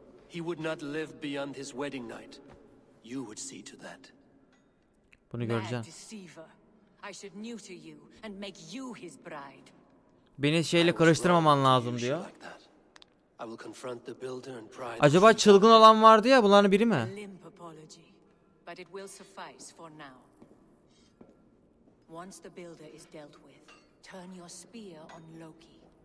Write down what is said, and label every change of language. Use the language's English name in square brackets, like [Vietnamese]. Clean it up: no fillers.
[English] He would not live beyond his wedding night. You would see to that. [Turkish] Bunu göreceğim. [English] I should neuter you and make you his bride. [Turkish] Beni şeyle karıştırmaman lazım diyor. [English] I will confront the builder and pride. [Turkish] Acaba çılgın olan vardı ya, bunların biri mi? [English] But it will suffice for now. Once the builder is dealt with, turn your spear on Loki.